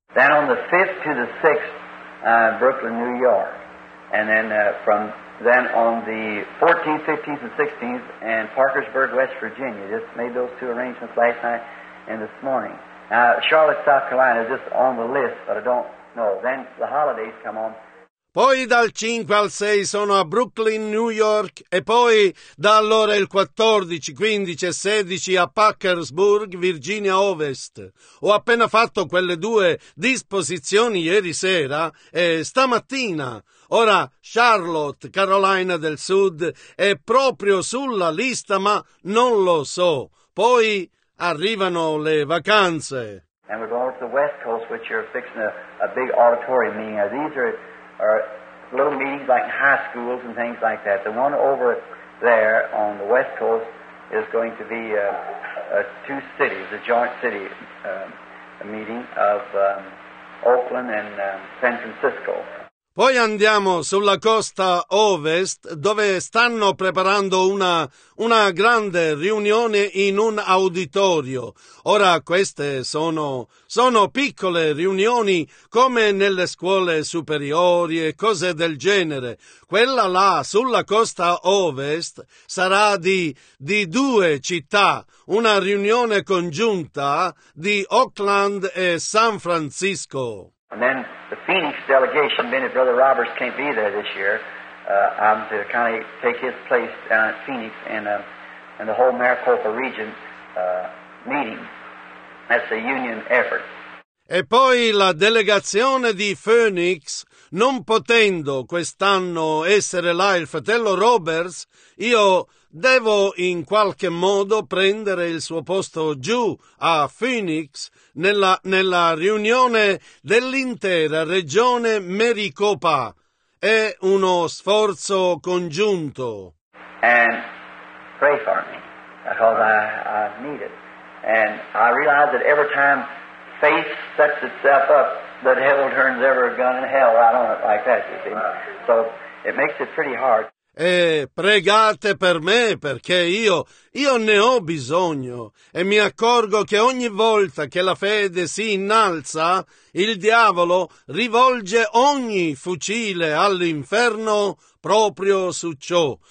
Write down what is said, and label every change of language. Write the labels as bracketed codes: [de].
[en] Then on the 5th to the 6th, Brooklyn, New York, and then from then on the 14th, 15th and 16th in Parkersburg, West Virginia. Just made those two arrangements last night and this morning. Charlotte, South Carolina is just on the list, but I don't. No, then the holidays come on. [it] Poi dal 5 al 6 sono a Brooklyn, New York, e poi da allora il 14, 15 e 16 a Parkersburg, Virginia Ovest. Ho appena fatto quelle due disposizioni ieri sera e stamattina. Ora Charlotte, Carolina del Sud, è proprio sulla lista, ma non lo so. Poi arrivano le vacanze. [en] And we're going to the West Coast, which you're fixing a big auditorium meeting. Now, these are little meetings like high schools and things like that. The one over there on the West Coast is going to be two cities, a joint city meeting of Oakland and San Francisco. [it] Poi andiamo sulla costa ovest, dove stanno preparando una grande riunione in un auditorio. Ora queste sono piccole riunioni, come nelle scuole superiori e cose del genere. Quella là, sulla costa ovest, sarà di due città, una riunione congiunta di Oakland e San Francisco. [en] And then the Phoenix delegation, being that Brother Roberts can't be there this year, I'm to kind of take his place down at Phoenix in the whole Maricopa region meeting. That's a union effort. [it] E poi la delegazione di Phoenix, non potendo quest'anno essere là il fratello Roberts, io devo in qualche modo prendere il suo posto giù a Phoenix nella riunione dell'intera regione Maricopa. È uno sforzo congiunto. [en] And pray for me, because I need it. And I realize that every time faith sets itself up, the devil turns every gun in hell right on it like that, you see. So it makes it pretty hard. [it] E pregate per me, perché io ne ho bisogno, e mi accorgo che ogni volta che la fede si innalza, il diavolo rivolge ogni fucile all'inferno proprio su ciò.